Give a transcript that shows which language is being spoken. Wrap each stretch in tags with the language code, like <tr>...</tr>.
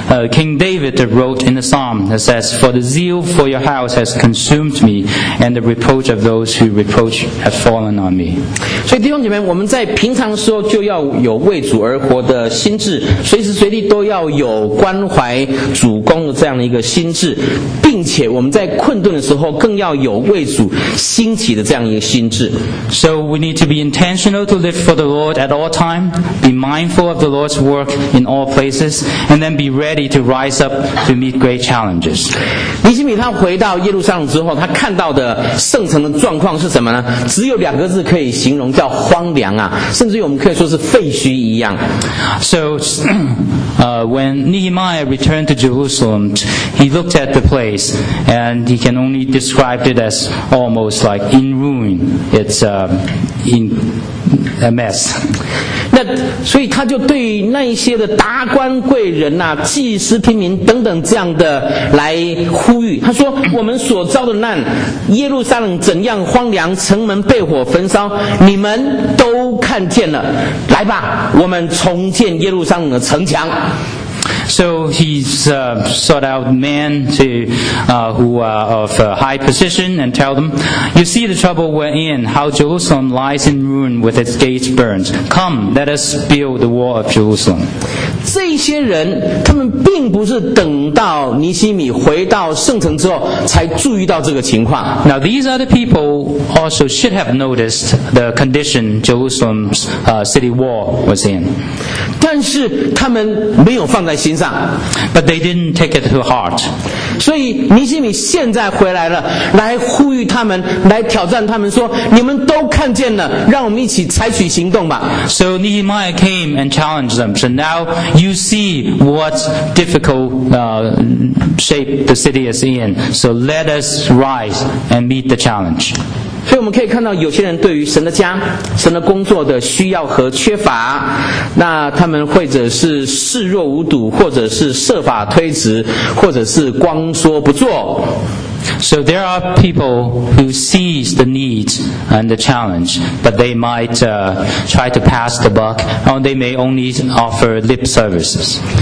<en>King David wrote in the psalm that says, For the zeal for your house has consumed me, and the reproach of those who reproach have fallen on me.</en> <zh>所以弟兄姐妹，我们在平常时候就要有为主而活的心智，随时随地都要有关怀主公的这样的一个心智，并且我们在困顿的时候更要有为主兴起的这样一个心智。</zh> <en>So we need to be intentional to live for the Lord at all time, be mindful of the Lord's work in all places, and then be ready ready to rise up to meet great challenges.</en> <zh>尼希米他回到耶路撒冷之后，他看到的圣城的状况是什么呢？只有两个字可以形容，叫荒凉啊，甚至于我们可以说是废墟一样。</zh> <en>So, when Nehemiah returned to Jerusalem, he looked at the place and he can only describe it as almost like in ruin. It's in a mess.</en> <zh>那所以他就对那一些的达官贵人啊、祭司、平民等等这样的来呼吁。他说：“我们所遭的难，耶路撒冷怎样荒凉，城门被火焚烧，你们都看见了。来吧，我们重建耶路撒冷的城墙。”</zh> <en>So he's sought out men to who are of high position and tell them, "You see the trouble we're in. How Jerusalem lies in ruin with its gates burned. Come, let us build the wall of Jerusalem."</en> <zh>这些人，他们并不是等到尼希米回到圣城之后才注意到这个情况。</zh> <en>Now these other people also should have noticed the condition Jerusalem's city wall was in.</en> <zh>但是他们没有放在心上。</zh> <en>But they didn't take it to heart.</en> <zh>所以尼希米现在回来了，来呼吁他们，来挑战他们，说你们都看见了，让我们一起采取行动吧。</zh> <en>So Nehemiah came and challenged them. So now you see what difficult shape the city is in. So let us rise and meet the challenge.</en> <zh>所以我们可以看到有些人对于神的家、神的工作的需要和缺乏，那他们或者是视若无睹，或者是设法推辞，或者是光说不做。</zh> <en>So there are people who sees the needs and the challenge, but they might try to pass the buck, or they may only offer lip services.</en>